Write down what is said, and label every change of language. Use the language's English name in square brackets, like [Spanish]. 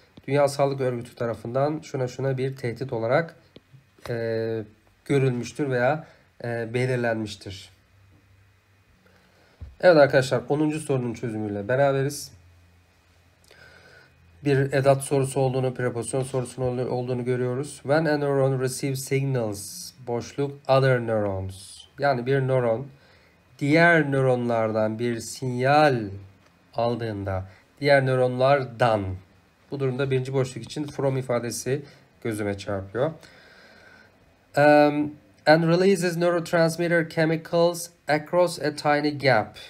[Turkish] Dünya Sağlık Örgütü tarafından şuna şuna bir tehdit olarak görülmüştür veya belirlenmiştir. Evet arkadaşlar 10. sorunun çözümüyle beraberiz. bir edat sorusu olduğunu, preposyon sorusu olduğunu görüyoruz. [English] When a neuron receives signals, boşluk, other neurons. [Turkish] Yani bir nöron, diğer nöronlardan bir sinyal aldığında, diğer nöronlardan. Bu durumda birinci boşluk için from ifadesi gözüme çarpıyor. [English] And releases neurotransmitter chemicals across a tiny gap.